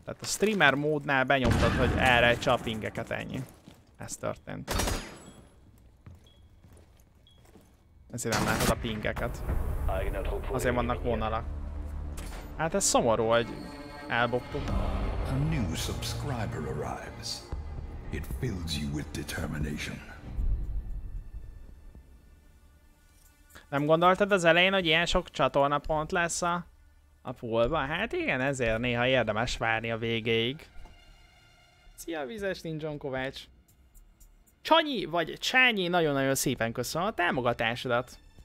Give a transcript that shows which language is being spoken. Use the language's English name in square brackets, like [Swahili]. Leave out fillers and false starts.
[Hungarian] Tehát a streamer módnál benyomtad, hogy elrejtse a pingeket, ennyi. Ez történt. Ezért nem látod a pingeket. Azért vannak vonalak. Hát ez szomorú, hogy elbuktuk. [English] A new subscriber arrives. It fills you with determination. [Hungarian] Nem gondoltad az elején, hogy ilyen sok csatorna pont lesz a poolban? Hát igen, ezért néha érdemes várni a végéig. Szia, vizes Ninjon Kovács. Csanyi vagy Csányi, nagyon-nagyon szépen köszönöm a támogatásodat.